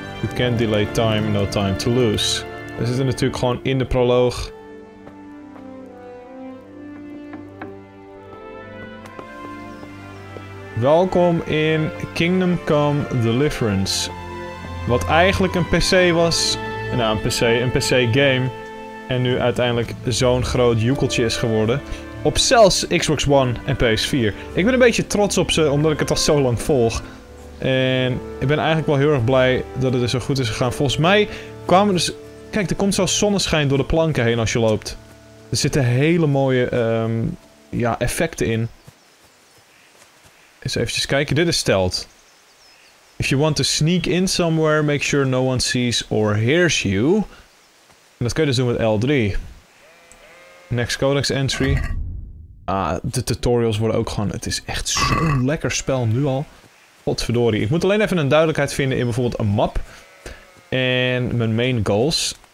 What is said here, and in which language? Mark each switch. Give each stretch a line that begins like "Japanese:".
English: You can't delay time, no time to lose.
Dutch: We zitten natuurlijk gewoon in de proloog. Welkom in Kingdom Come Deliverance. Wat eigenlijk een PC was. Nou, een PC game. En nu uiteindelijk zo'n groot joekeltje is geworden. Op zelfs Xbox One en PS4. Ik ben een beetje trots op ze, omdat ik het al zo lang volg. En ik ben eigenlijk wel heel erg blij dat het er zo goed is gegaan. Volgens mij kwamen dus... Kijk, er komt zelfs zonneschijn door de planken heen als je loopt. Er zitten hele mooie effecten in. Eens eventjes kijken. Dit is stealth.
English: If you want to sneak in somewhere, make sure no one sees or hears you.
Dutch: En dat kun je dus doen met L3.
English: Next codex entry.
Dutch: Ah, de tutorials worden ook gewoon... Het is echt zo'n lekker spel nu al. Godverdorie. Ik moet alleen even een duidelijkheid vinden in bijvoorbeeld een map. En mijn main goals.